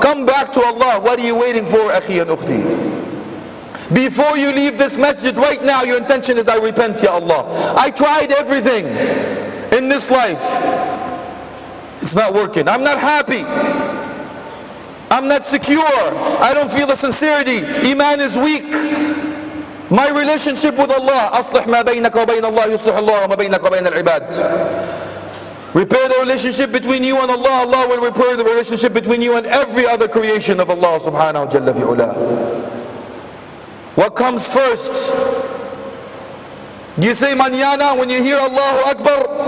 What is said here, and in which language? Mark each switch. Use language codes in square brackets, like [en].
[en] Come back to Allah. What are you waiting for, أخي and أختي? Before you leave this masjid right now, your intention is I repent, Ya Allah. I tried everything in this life. It's not working. I'm not happy. I'm not secure. I don't feel the sincerity. Iman is weak. My relationship with Allah. [ar] أصلح ما بينك وبين الله يصلح الله وما بينك وبين العباد. [en] Repair the relationship between you and Allah. Allah will repair the relationship between you and every other creation of Allah subhanahu wa jalla fi ula. What comes first? You say manana when you hear Allahu Akbar.